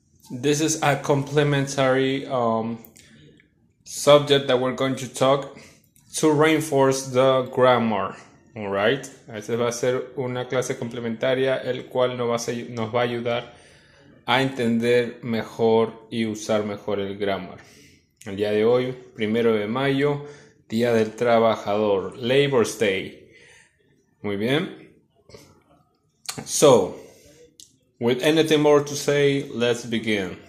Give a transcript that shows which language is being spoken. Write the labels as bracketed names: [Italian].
[English] This is a complementary subject that we're going to talk to reinforce the grammar. [Spanish] Alright, este va a ser una clase complementaria, el cual nos va a ayudar a entender mejor y usar mejor el grammar. El día de hoy, 1 de mayo, Día del Trabajador, Labor Day. Muy bien. [English] So, with anything more to say, let's begin.